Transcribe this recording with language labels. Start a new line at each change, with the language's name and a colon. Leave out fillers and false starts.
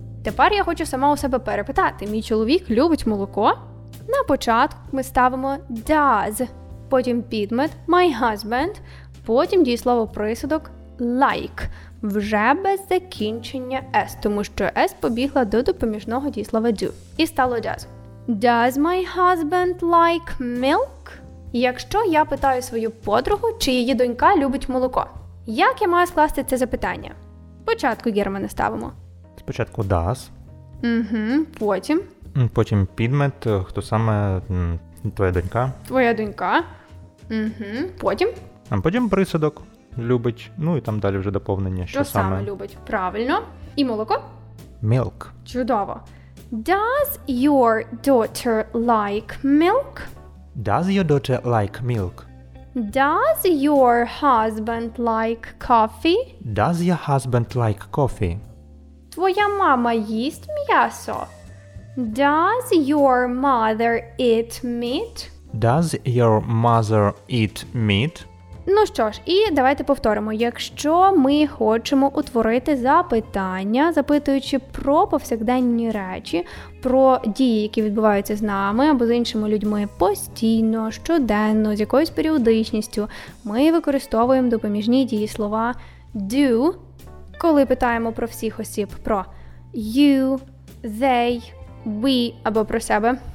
Ukrainian: Тепер я хочу сама у себе перепитати. Мій чоловік любить молоко? На початку ми ставимо does, потім підмет
English: my husband,
Ukrainian: потім дієслово присудок like. Вже без закінчення s, тому що s побігла до допоміжного дієслова do. І стало does.
English: Does my husband like milk?
Ukrainian: Якщо я питаю свою подругу, чи її донька любить молоко, як я маю скласти це запитання? Спочатку Германа ставимо. Спочатку does. Угу, потім? Потім підмет, хто саме твоя донька. Твоя донька. Угу, потім? А потім присадок. Любить, ну і там далі вже доповнення, що саме. То саме любить, правильно. І молоко?
English: Milk.
Ukrainian: Чудово.
English: Does your daughter like milk? Does your daughter like milk? Does your husband like coffee? Does your husband like coffee?
Ukrainian: Твоя мама їсть м'ясо?
English: Does your mother eat meat? Does your mother eat meat?
Ukrainian: Ну що ж, і давайте повторимо. Якщо ми хочемо утворити запитання, запитуючи про повсякденні речі, про дії, які відбуваються з нами або з іншими людьми постійно, щоденно, з якоюсь періодичністю, ми використовуємо допоміжні дієслова do, коли питаємо про всіх осіб, про you, they, we або про себе.